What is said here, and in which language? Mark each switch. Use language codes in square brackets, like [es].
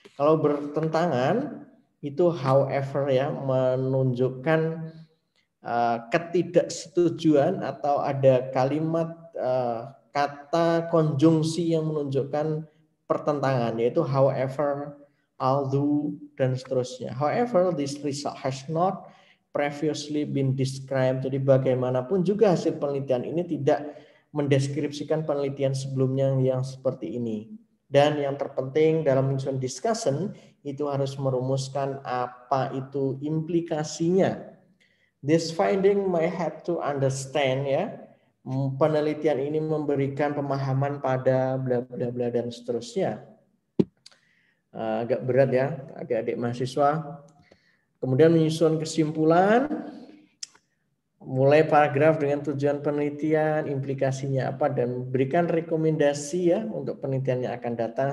[id] Kalau bertentangan itu however ya, menunjukkan ketidaksetujuan atau ada kalimat kata konjungsi yang menunjukkan pertentangan, yaitu however, although, dan seterusnya. [en] However, this result has not previously been described. [id] Jadi bagaimanapun juga hasil penelitian ini tidak mendeskripsikan penelitian sebelumnya yang seperti ini. Dan yang terpenting dalam menyusun discussion itu harus merumuskan apa itu implikasinya. [en] This finding may have to understand ya. [id] Penelitian ini memberikan pemahaman pada bla bla bla dan seterusnya. Agak berat ya, adik-adik mahasiswa. Kemudian menyusun kesimpulan. Mulai paragraf dengan tujuan penelitian, implikasinya apa, dan berikan rekomendasi ya untuk penelitian yang akan datang.